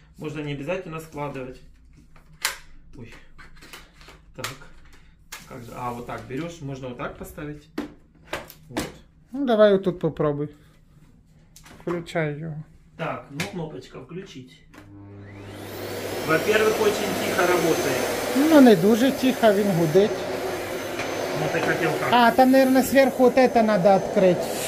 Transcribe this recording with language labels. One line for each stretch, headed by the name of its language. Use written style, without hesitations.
Russian: Можно не обязательно складывать. Ой, так, как же, а вот так берешь, можно вот так поставить, вот. Ну, давай вот тут попробуй, включай ее. Так, ну, кнопочка включить. Во-первых, очень тихо работает.
Ukrainian: Ну, не дуже тихо, він гудить.
Russian: Ну, ты хотел как? А, там, наверное, сверху вот это надо открыть.